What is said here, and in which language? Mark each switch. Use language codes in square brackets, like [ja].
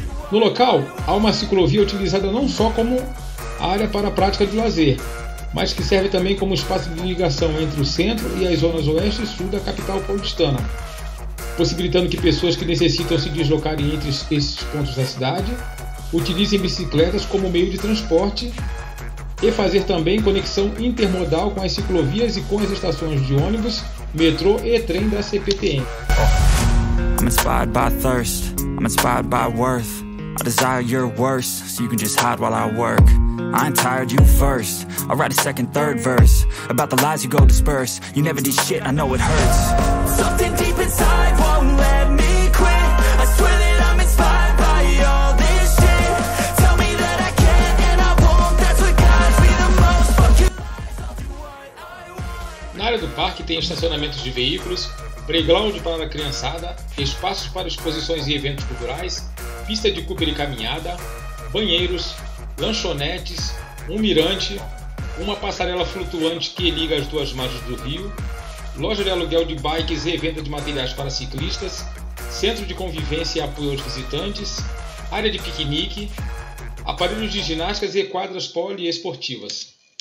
[pt] No local, há uma ciclovia utilizada não só como área para a prática de lazer, mas que serve também como espaço de ligação entre o centro e as zonas oeste e sul da capital paulistana, possibilitando que pessoas que necessitam se deslocarem entre esses pontos da cidade utilizem bicicletas como meio de transporte e fazer também conexão intermodal com as ciclovias e com as estações de ônibus, metrô e trem da CPTM. [en] I'm inspired by thirst, I'm inspired by worth. I desire your worst, so you can just hide while I work. I ain't tired, you first. I'll write a second, third verse about the lies you go disperse. You never did shit, I know it hurts. Something deep inside won't let me quit. I swear that I'm inspired by all this shit. Tell me that I can't and I won't. That's what guides me the most. Fuck you. [pt] Na área do parque tem estacionamentos de veículos, playground para a criançada, espaços para exposições e eventos culturais, pista de cooper e caminhada, banheiros, lanchonetes, um mirante, uma passarela flutuante que liga as duas margens do rio, loja de aluguel de bikes e venda de materiais para ciclistas, centro de convivência e apoio aos visitantes, área de piquenique, aparelhos de ginásticas e quadras poliesportivas.